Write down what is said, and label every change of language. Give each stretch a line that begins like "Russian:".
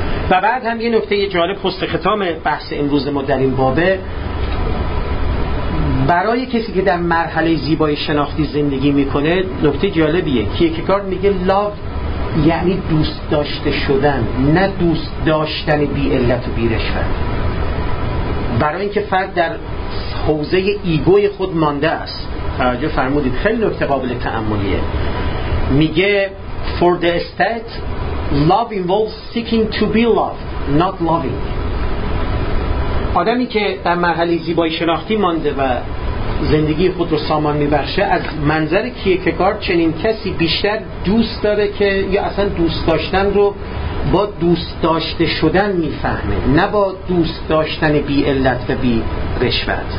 Persian: و بعد هم یه نکته جالب پست ختام بحث امروز ما در این بابه، برای کسی که در مرحله زیبای شناختی زندگی میکنه نکته جالبیه، کیرکگارد میگه لاو یعنی دوست داشته شدن، نه دوست داشتن بی علت و بی رشوت. برای اینکه فرد در حوزه ایگوی خود مانده است، توجه فرمودید، خیلی نکته قابل تأملیه. میگه
English: for the state love involves seeking to be loved not loving.
Persian: آدمی که در مرحله زیبایی شناختی مانده و زندگی خود رو سامان میبخشه، از منظر کیرکگارد چنین کسی بیشتر دوست داره که، یا اصلا دوست داشتن رو با دوست داشته شدن میفهمه، نه با دوست داشتن بی علت و بی رشوت.